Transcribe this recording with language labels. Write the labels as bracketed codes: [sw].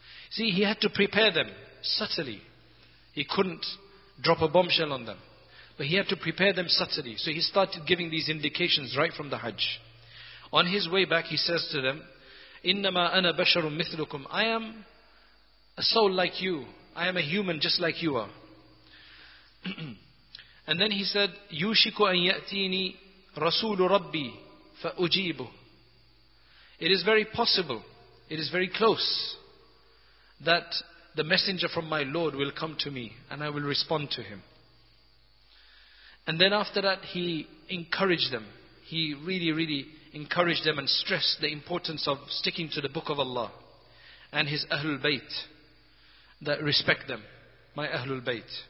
[en] See, he had to prepare them subtly. He couldn't drop a bombshell on them. But he had to prepare them subtly. So he started giving these indications right from the Hajj. On his way back, he says to them, [ar] إِنَّمَا أَنَا بَشَرٌ مِثْلُكُمْ. [en] I am a soul like you. I am a human just like you are. And then he said, [ar] يُوشِكُ أَن يَأْتِينِي رَسُولُ رَبِّي فَأُجِيبُهُ. [en] It is very possible, it is very close, that the messenger from my Lord will come to me and I will respond to him. And then after that, he encouraged them. He really, really encouraged them and stressed the importance of sticking to the Book of Allah and his Ahlul Bayt, that respect them, my Ahlul Bayt.